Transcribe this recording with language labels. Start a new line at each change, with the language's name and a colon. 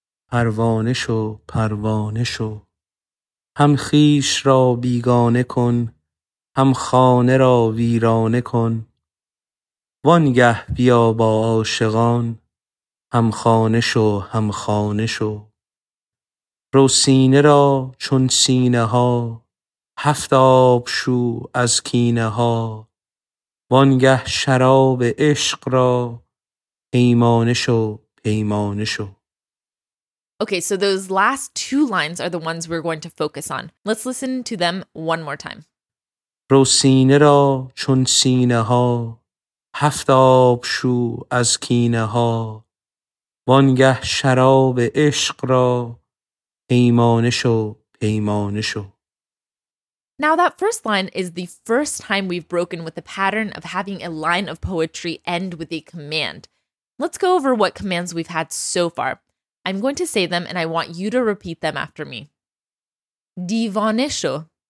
Persian: پروانه شو پروانه شو هم خیش را بیگانه کن هم خانه را ویرانه کن وانگه بیا با عاشقان هم خانه شو هم خانه شو رو سینه را چون سینه ها هفت آب شو از کینه ها وانگه شراب عشق را پیمانه شو پیمانه شو.
English: Okay, so those last 2 lines are the ones we're going to focus on. Let's listen to them one more time.
Persian: رو سینه را چون سینه ها هفت آب شو از کینه ها وانگه شراب عشق را پیمانه شو پیمانه شو.
English: Now that first line is the first time we've broken with the pattern of having a line of poetry end with a command. Let's go over what commands we've had so far. I'm going to say them, and I want you to repeat them after me.
Persian: Divanisho.